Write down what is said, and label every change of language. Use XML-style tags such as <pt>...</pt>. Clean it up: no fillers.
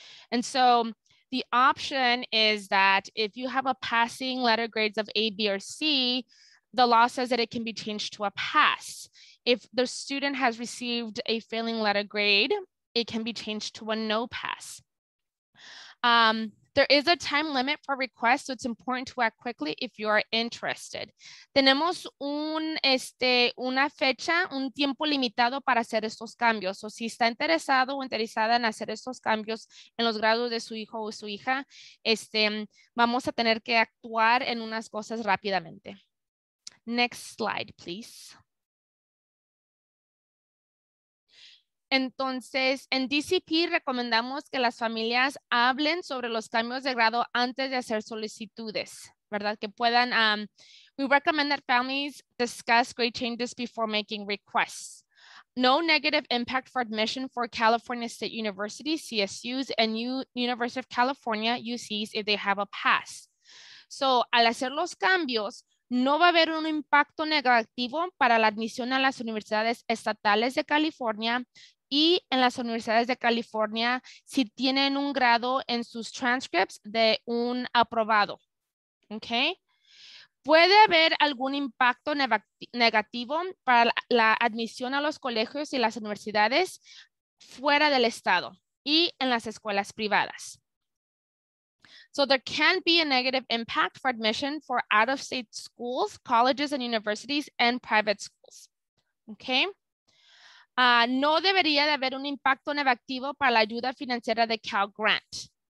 <en>And so the option is that if you have a passing letter grades of A, B, or C, the law says that it can be changed to a pass. If the student has received a failing letter grade, it can be changed to a no pass. There is a time limit for requests, so it's important to act quickly if you are interested.</en> <es>Tenemos una fecha, un tiempo limitado para hacer estos cambios. O si está interesado o interesada en hacer estos cambios en los grados de su hijo o su hija, vamos a tener que actuar en unas cosas rápidamente.</es> <en>Next slide, please.</en> <es>Entonces, en DCP recomendamos que las familias hablen sobre los cambios de grado antes de hacer solicitudes, ¿verdad? Que puedan,</es> <en>we recommend that families discuss grade changes before making requests. No negative impact for admission for California State University, CSUs, and University of California, UCs, if they have a pass.</en> <es>So, al hacer los cambios, no va a haber un impacto negativo para la admisión a las universidades estatales de California, y en las universidades de California, si tienen un grado en sus transcripts de un aprobado, ¿ok? Puede haber algún impacto negativo para la admisión a los colegios y las universidades fuera del estado y en las escuelas privadas.</es> <en>So there can be a negative impact for admission for out-of-state schools, colleges and universities, and private schools, ¿ok?</en> <es>No debería de haber un impacto negativo para la ayuda financiera de Cal Grant.</es>